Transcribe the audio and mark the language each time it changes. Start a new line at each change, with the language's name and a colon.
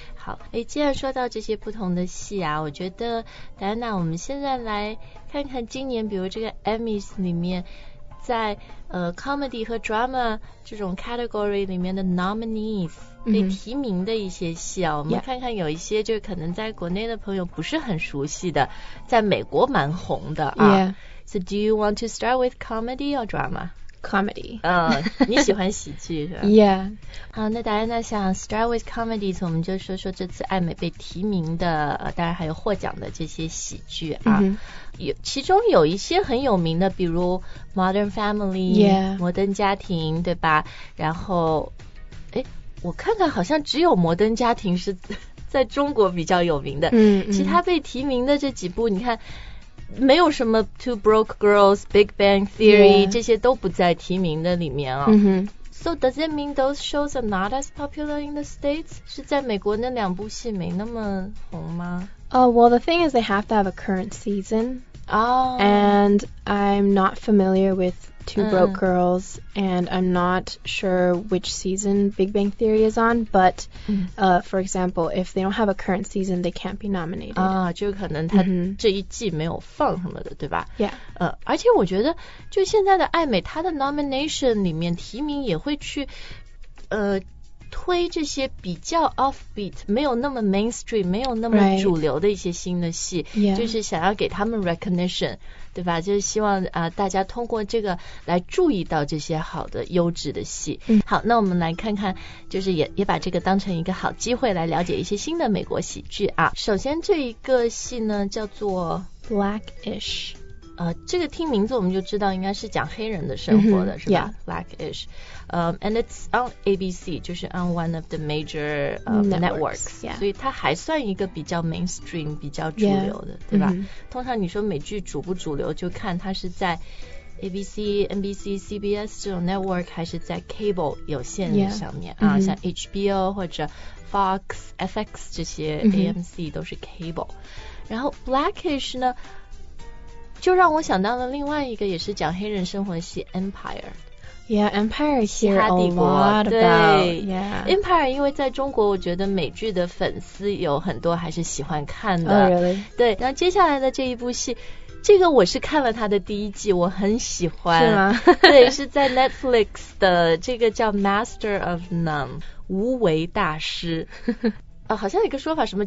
Chinese: 好诶既然说到这些不同的戏啊我觉得戴安娜我们现在来看看今年比如这个 Emmys 里面在comedy 和 drama 这种 category 里面的 nominees 被、
English: mm-hmm.
Chinese: 提名的一些戏啊我们看看有一些就可能在国内的朋友不是很熟悉的在美国蛮红的啊、
English: yeah. So do you want to start with comedy or drama? Comedy.
Chinese: 你喜欢喜剧是吧
English: Yeah.
Chinese: 好那戴安娜想
English: start with comedy,
Chinese: 我们就说说这次艾美被提名的当然还有获奖的这些喜剧啊。
English: Mm-hmm.
Chinese: 其中有一些很有名的比如 Modern Family,
English: Yeah.
Chinese: 摩登家庭对吧然后诶我看看好像只有摩登家庭是在中国比较有名的。
English: Mm-hmm.
Chinese: 其他被提名的这几部你看没有什么 Two Broke Girls, Big Bang Theory、
English: yeah.
Chinese: 这些都不在提名的里面啊、
English: mm-hmm. So does it mean those shows are not as popular in the States?
Chinese: 是在美国那两部戏没那么红吗、
English: Well the thing is they have to have a current season、 oh. And I'm not familiar with Two Broke、mm. Girls And I'm not sure which season Big Bang Theory is on But、mm. For example If they don't have a current season They can't be nominated
Chinese: 啊、就可能他这一季没有放什么的、mm. 对吧
English: Yeah、
Chinese: 而且我觉得就现在的艾美他的 nomination 里面提名也会去推这些比较 offbeat 没有那么 mainstream 没有那么主流的一些新的戏、
English: right. yeah.
Chinese: 就是想要给他们 recognition 对吧就是希望、大家通过这个来注意到这些好的优质的戏、嗯、好那我们来看看就是 也把这个当成一个好机会来了解一些新的美国喜剧啊首先这一个戏呢叫做
English: Black-ish
Chinese: 这个听名字我们就知道应该是讲黑人的生活的、
English: mm-hmm.
Chinese: 是吧、
English: yeah. Black-ish and it's on ABC
Chinese: 就是
English: on one of the major networks、 yeah.
Chinese: 所以它还算一个比较 mainstream 比较主流的、
English: yeah.
Chinese: 对吧、mm-hmm. 通常你说美剧主不主流就看它是在 ABC NBC CBS 这种 network 还是在 cable 有线上面、
English: yeah.
Chinese: 啊、mm-hmm. 像 HBO 或者 Fox FX 这些 AMC 都是 cable、mm-hmm. 然后 Black-ish 呢就让我想到了另外一个也是讲黑人生活的戏 Empire
English: Yeah, Empire hear a lot about.
Chinese: 对
English: yeah.
Chinese: Empire 因为在中国我觉得美剧的粉丝有很多还是喜欢看的、
English: oh, really?
Chinese: 对那接下来的这一部戏这个我是看了它的第一季我很喜欢是吗对是在 Netflix 的这个叫 Master of None 无为大师好像有一个说法什么